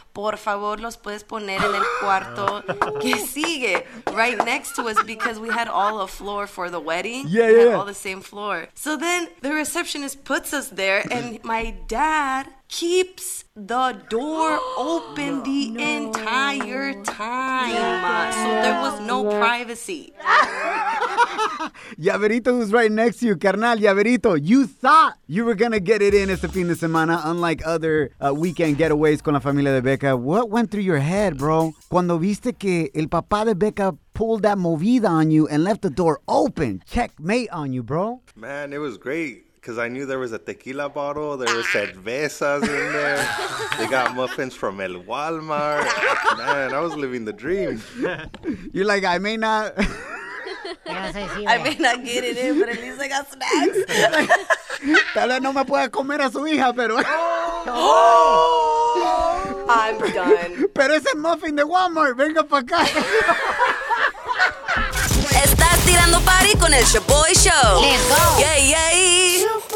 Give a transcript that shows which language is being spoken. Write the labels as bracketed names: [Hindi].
[Spanish] Por favor, los puedes poner en el cuarto que sigue. [English] Right next to us because we had all a floor for the wedding. Yeah. All the same floor. So then the receptionist puts us there and my dad keeps the door open the entire time. Yeah. So there was no privacy. Llaverito, who's right next to you, carnal, Llaverito, you thought you were going to get it in [Spanish] este fin de semana, [English] unlike other weekend getaways [Spanish] con la familia de Becca. [English] What went through your head, bro, [Spanish] cuando viste que el papá de Becca [English] pulled that movida on you and left the door open? Checkmate on you, bro. Man, it was great. Because I knew there was a tequila bottle, there were cervezas in there, they got muffins from El Walmart. Man, I was living the dream. You're like, I may not... I may not get it in, but at least I got snacks. [Spanish] Tal vez no me pueda comer a su hija, pero... [English] I'm done. [Spanish] Pero ese muffin de Walmart, venga pa' acá. Estás tirando party con el Shaboy Show. [English] Let's go. Yay, yay.